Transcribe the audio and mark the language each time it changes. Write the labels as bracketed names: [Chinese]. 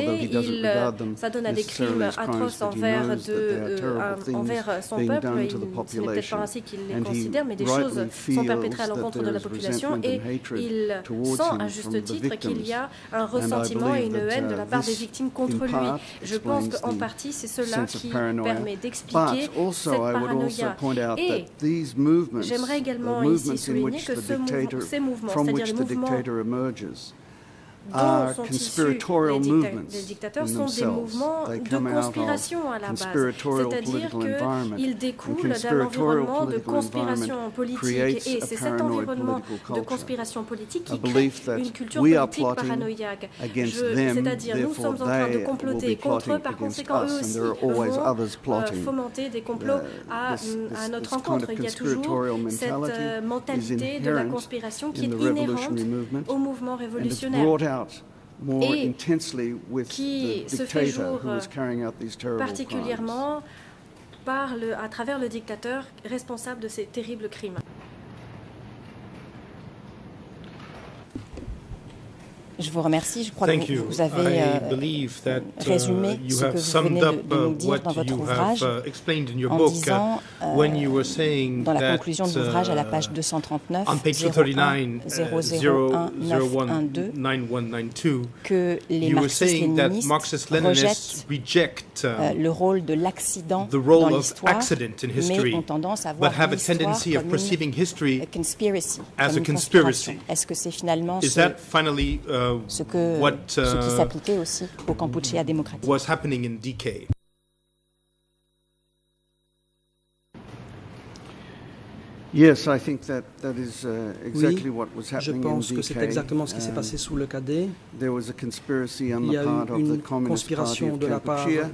[English] although he doesn't regard them necessarily as crimes, but he knows that there are terrible things being done to the population. And he rightly feels that there is resentment and hatred towards him from the victims. [French] Un ressentiment et une haine de la part des victimes contre lui. Je pense qu'en partie, c'est cela qui permet d'expliquer cette paranoïa. Et j'aimerais également ici souligner que ces mouvements, c'est-à-dire les mouvements [English] are conspiratorial movements in themselves. They come out of conspiratorial political environment. And conspiratorial political environment creates a paranoid political culture, a belief that we are plotting against them, therefore they will be plotting against us, and there are always others plotting. This kind of conspiratorial mentality is inherent in the revolutionary movement, and it's brought out more intensely with the dictator who is carrying out these terrible crimes. [French] Parle à travers le dictateur responsable de ces terribles crimes. Je vous remercie. Je crois que vous avez résumé ce que vous venez de nous dire dans votre ouvrage en disant, dans la conclusion de l'ouvrage à la page 239, 01-001-912, que les marxistes-léninistes rejettent le rôle de l'accident dans l'histoire, mais ont tendance à voir l'histoire comme une conspiration. Est-ce que c'est finalement ce qui s'appliquait aussi au Kampuchea démocratique. [English] Was happening in DK. Yes, I think that is exactly what was happening in DK. [French] Je pense que c'est exactement ce qui s'est passé sous le KD. [English] There was a conspiracy on the part of the Communist Party of Kampuchea